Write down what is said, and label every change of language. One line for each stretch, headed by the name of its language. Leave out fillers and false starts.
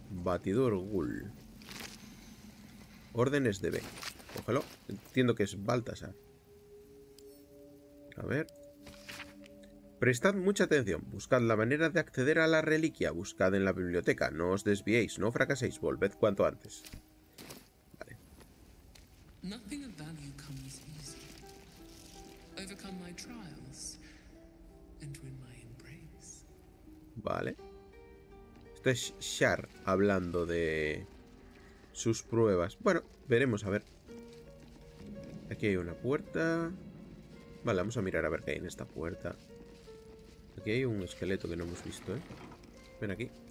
Spanish: Batidor Ghoul. Órdenes de B. Cógelo. Entiendo que es Baltasar. A ver. Prestad mucha atención, buscad la manera de acceder a la reliquia, buscad en la biblioteca, no os desviéis, no fracaséis, volved cuanto antes. Vale.
English: Nothing of value comes easy. Overcome my trials and win my embrace.
Spanish: Vale. Esto es Shar hablando de sus pruebas. Bueno, veremos, a ver. Aquí hay una puerta. Vale, vamos a mirar a ver qué hay en esta puerta. Aquí hay un esqueleto que no hemos visto, ¿eh? Ven aquí.